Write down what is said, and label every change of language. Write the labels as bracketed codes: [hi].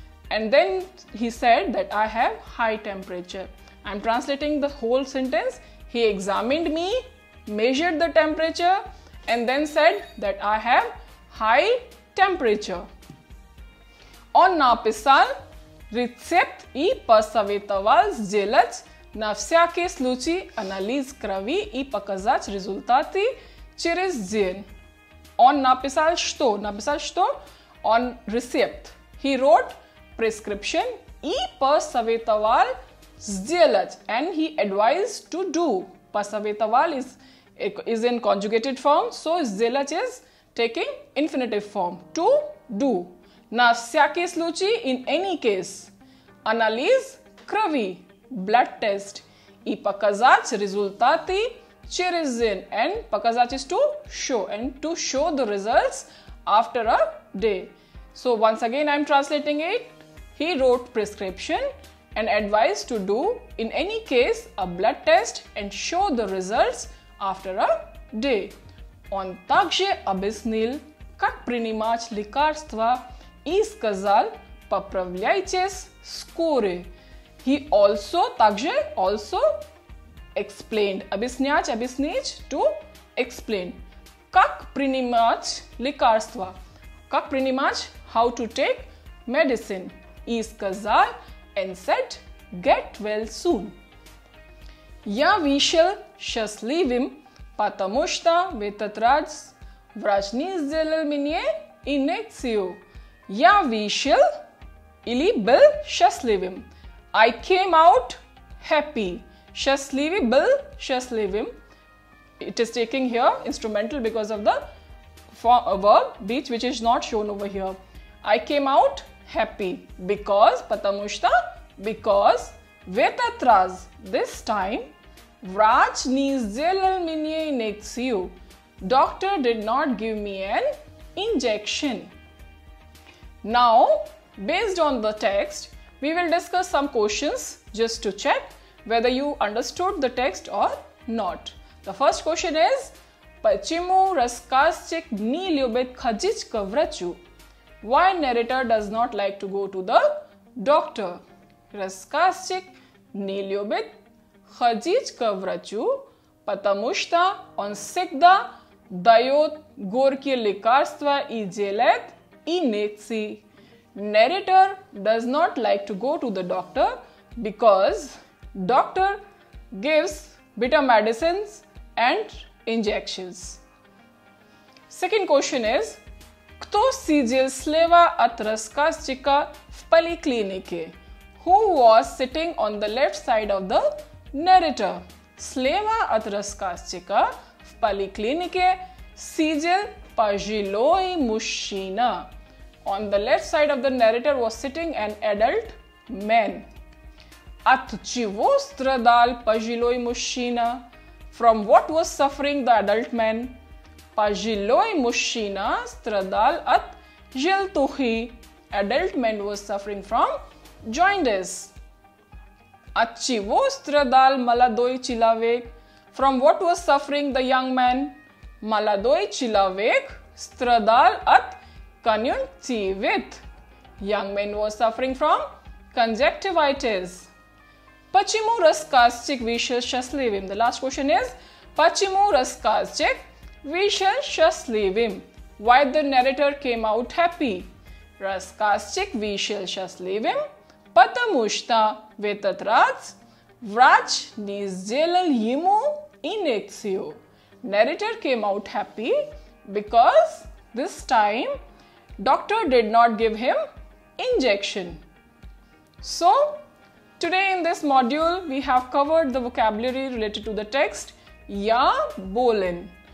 [en] And then he said that I have high temperature. I'm translating the whole sentence. He examined me, measured the temperature, and then said that I have high temperature. [ru] Он написал рецепт и посоветовал сделать на всякий случай анализ крови и показать результаты через день. Он написал что? Написал что? [en] On receipt. He wrote prescription [ru] и посоветовал сделать. [en] And he advised to do. Посоветовал is in conjugated form. So сделать is taking infinitive form. To do. [ru] На всякий случай, [en] in any case. [ru] Анализ крови, [en] blood test. [ru] И показать результаты через день. [en] And показать is to show. And to show the results after a day. So once again, I'm translating it. He wrote prescription and advised to do, in any case, a blood test and show the results after a day. [ru] Он также объяснил, как принимать лекарства и сказал, поправляйтесь скоро. [en] He also, также, also explained, объяснять, to explain. [ru] Как принимать лекарства? Как принимать, [en] how to take medicine? [ru] И сказал, [en] and said, get well soon. [ru] Я вышел счастливым, потому что в этот раз врач не сделал мне инъекцию. Я вышел или был счастливым. [en] I came out happy. [ru] Счастливый был счастливым. [en] It is taking here instrumental because of the verb beach which is not shown over here. I came out happy because, [ru] потому что, [en] because, [ru] в этот раз, [en] this time, [ru] врач не сделал мне инъекцию. [en] Doctor did not give me an injection. Now, based on the text, we will discuss some questions just to check whether you understood the text or not. The first question is, [ru] почему рассказчик не любит ходить к врачу? [en] Why narrator does not like to go to the doctor? [ru] Рассказчик не любит ходить к врачу, потому что он всегда дает горькие лекарства и делает инъекции. [en] Narrator does not like to go to the doctor because doctor gives bitter medicines and injections. Second question is, [ru] кто сидел слева от рассказчика в поликлинике? [en] Who was sitting on the left side of the narrator? [ru] Слева от рассказчика в поликлинике сидел пожилой мужчина. [en] On the left side of the narrator was sitting an adult man. [ru] От чего страдал пожилой мужчина? [en] From what was suffering the adult man? [ru] Пожилой мужчина страдал от желтухи. [en] Adult man was suffering from jaundice. [ru] От чего страдал молодой человек? [en] From what was suffering the young man? [ru] Молодой человек страдал от конъюнктивит. [en] Young man was suffering from conjunctivitis. [ru] Почему рассказчик вышел счастливым? [en] The last question is, [ru] почему рассказчик вышел счастливым? [en] Why the narrator came out happy? [ru] Рассказчик вышел счастливым, потому что в этот раз врач не сделал ему инъекцию. [en] Narrator came out happy because this time doctor did not give him injection. So, today in this module we have covered the vocabulary related to the text Ya Bolin.